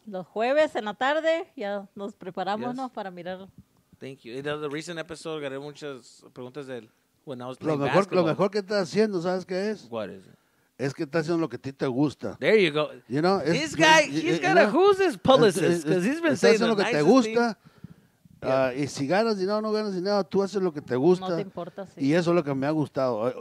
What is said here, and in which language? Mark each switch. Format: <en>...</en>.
<es>Los jueves en la tarde ya nos preparamos, yes, ¿no? Para mirar.</es> <en>Thank you. In the recent episode,</en> <es>agarré muchas preguntas de él.</es> <en>When I was playing basketball.</en> <es>Lo mejor que estás haciendo, ¿sabes qué es?</es> <en>What is it?</en> <es>Es que está haciendo lo que a ti te gusta.</es> <en>There you go. You know, this guy, he's got to who's his publicist, because he's been saying</en> <es>está haciendo lo que</es> <en>nice</en> <es>te gusta. Y si ganas dinero o no ganas dinero, tú haces lo que te gusta. No te importa, sí. Y eso es lo que me ha gustado.</es>